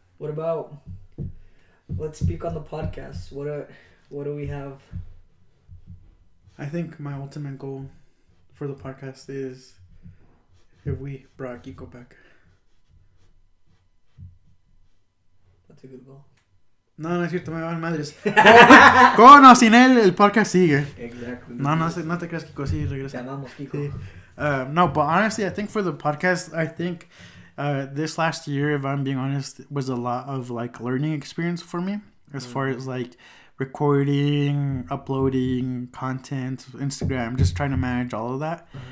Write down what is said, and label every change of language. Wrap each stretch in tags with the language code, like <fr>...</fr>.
<en>What about, let's speak on the podcast. What do we have? I think my ultimate goal for the podcast is if we brought Kiko back. That's a good goal.</en> <es>No, no es cierto, me van madres. Con o sin él, el podcast sigue.</es> <en>Exactly.</en> <es>No te creas, Kiko, sí, regresa. Llamamos Kiko. Sí.</es> <en>No, but honestly, I think for the podcast, I think... this last year, if I'm being honest, was a lot of like learning experience for me, as far as like recording, uploading content, Instagram, just trying to manage all of that.</en>